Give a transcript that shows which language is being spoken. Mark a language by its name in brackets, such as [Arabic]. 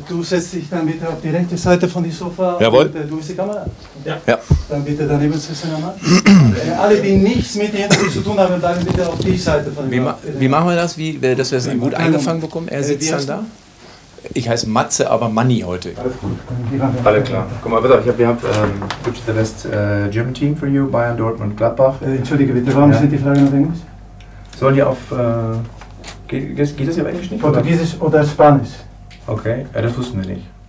[German] Du setzt dich dann bitte auf die rechte Seite von dem Sofa. Jawohl. Und du bist die Kamera. Ja. Dann bitte daneben sitzen nochmal. Alle, die nichts mit dem Interview zu tun haben, bleiben bitte auf die Seite von dem Sofa. Wie machen wir das? Wie, dass wir es gut eingefangen bekommen? Er sitzt dann da? Ich heiße Matze, aber Manni heute. Alles klar. Guck mal, bitte, [English] which is the best German team for you? [German] Bayern, Dortmund, Gladbach. Entschuldige bitte, warum sind die Fragen auf Englisch? Sollen die auf... Geht das hier auf Englisch nicht? Portugiesisch oder Spanisch. Okay, ja, das wussten wir nicht.